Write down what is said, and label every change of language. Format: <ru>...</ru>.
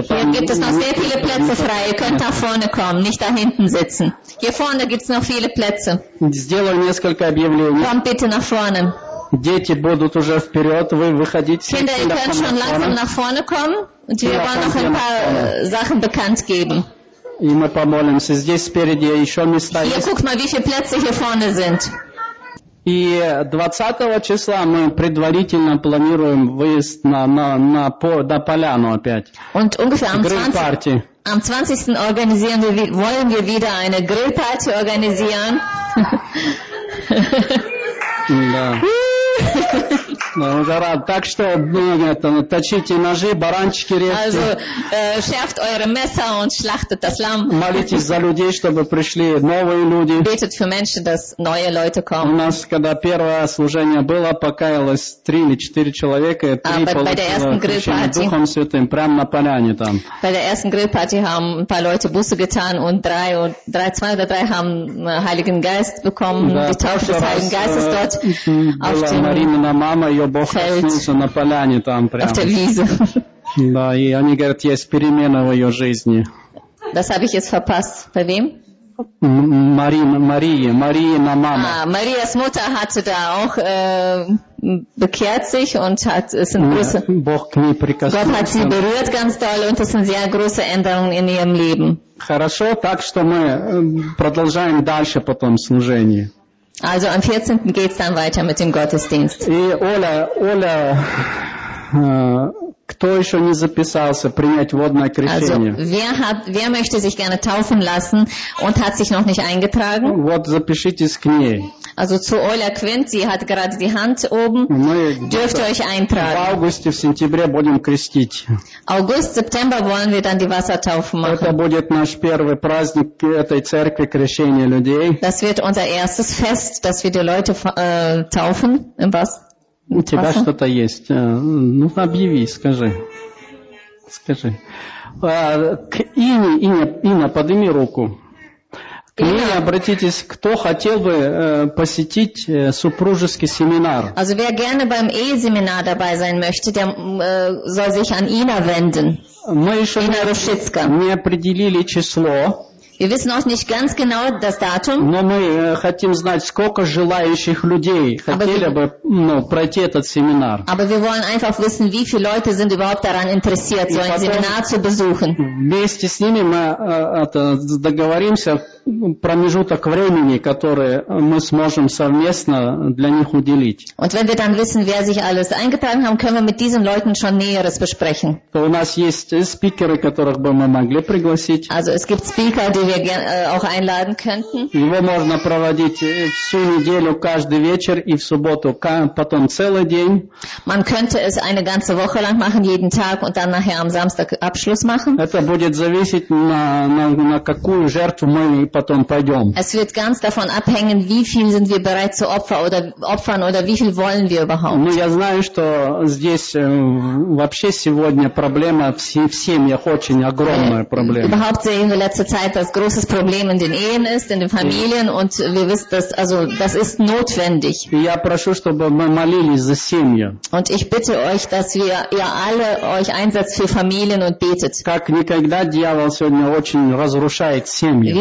<de>Hier gibt es noch sehr viele Plätze frei. Ihr könnt nach vorne kommen, nicht da hinten sitzen. Hier vorne gibt es noch viele Plätze.</de> <ru>Сделай несколько объявлений.</ru> <de>Kommt bitte nach vorne.</de> <ru>Дети будут уже вперед, вы выходите.</ru> <de>Kinder, ihr könnt schon langsam nach vorne kommen. Und wir wollen noch ein paar Sachen bekannt geben.</de> <ru>И мы помолимся. Здесь спереди еще места</ru> <de>hier,</de> <ru>есть.</ru> <de>Guck mal, wie viele Plätze hier vorne sind.</de> <ru>И 20 числа мы предварительно планируем выезд на поляну опять.</ru> <de>Und ungefähr am 20. Am 20. Organisieren wir, wollen wir wieder eine Grillparty organisieren.</de> <ru>Да. Так что, точите ножи, баранчики режьте.</ru> <de>Also, schärft eure Messer und schlachtet das Lamm.</de> <ru>Молитесь за людей, чтобы пришли новые люди.</ru> <de>Betet für Menschen, dass neue Leute kommen.</de> <ru>У нас, когда первое служение было, покаялось 3 или 4 человека, 3 получили Духом Святым, прямо на поляне там.</ru> <de>Bei der ersten Grillparty haben ein paar Leute Buße getan und 2 oder 3 haben Heiligen Geist bekommen, die Taufe des Heiligen Geistes dort.</de> <ru>Была Маринина мама, ее Бог коснулся на поляне там прямо. Да, и они говорят, есть перемена в ее жизни.</ru> <de>Das habe ich jetzt verpasst. Bei wem?</de> <ru>Марина мама.</ru> <de>Marias Mutter hatte da auch bekehrt sich und hat es sind große.</de> <ru>Бог к ней прикоснулся.</ru> <de>Gott hat sie berührt ganz doll und es sind sehr große Änderungen in ihrem Leben.</de> <ru>Хорошо, так что мы продолжаем дальше потом служение.</ru> <de>Also am 14. geht's dann weiter mit dem Gottesdienst.</de> <ru>И Оля, Оля, кто еще не записался принять водное крещение?</ru> <de>Also, wer möchte sich gerne taufen lassen und hat sich noch nicht eingetragen?</de> <ru>Вот, запишитесь к ней.</ru> <de>Also zu Оля Квинт, sie hat gerade die Hand oben, dürft ihr euch eintragen.</de> <ru>В августе, в сентябре будем крестить.</ru> <de>August, September wollen wir dann die Wassertaufe machen.</de> <ru>Это будет наш первый праздник этой церкви крещения людей.</ru> <de>Das wird unser erstes Fest, dass wir die Leute taufen.</de> <ru>У тебя что-то есть. Ну, объяви, скажи. Скажи. Инна, подними руку. К мне обратитесь, кто хотел бы посетить супружеский семинар.</ru> <de>Also wer gerne beim E-Seminar dabei sein möchte, der soll sich an Ina wenden.</de> <ru>Мы еще не определили число.</ru> <de>Wir wissen auch nicht ganz genau das Datum.</de> <ru>Но мы хотим знать, сколько желающих людей хотели бы пройти этот семинар.</ru> <de>Aber wir wollen einfach wissen, wie viele Leute sind überhaupt daran interessiert, so ein Seminar zu besuchen.</de> <ru>Вместе с ними мы договоримся промежуток времени, который мы сможем совместно для них уделить.</ru> <de>Und wenn wir dann wissen, wer sich alles eingetragen haben, können wir mit diesen Leuten schon Näheres besprechen.</de> <ru>У нас есть спикеры, которых бы мы могли пригласить.</ru> <de>Also es gibt Speaker, die wir auch einladen könnten.</de> <ru>Его можно проводить всю неделю, каждый вечер и в субботу, потом целый день.</ru> <de>Man könnte es eine ganze Woche lang machen, jeden Tag und dann nachher am Samstag Abschluss machen.</de> <ru>Это будет зависеть на какую жертву мы потом пойдем.</ru> <de>Es wird ganz davon abhängen, wie viel sind wir bereit zu opfern oder wie viel wollen wir überhaupt.</de> <ru>Ну, я знаю, что здесь вообще сегодня проблема в семьях, очень огромная проблема.</ru> <de>Überhaupt sehen wir letzte Zeit, dass großes Problem in den Ehen ist, in den Familien und wir wissen, dass, also, das ist notwendig.</de> <ru>Я прошу, чтобы мы молились за семьи.</ru> <de>Und ich bitte euch, dass wir, ihr alle euch einsetzt für Familien und betet.</de> <ru>Как никогда дьявол сегодня очень разрушает семьи.</ru>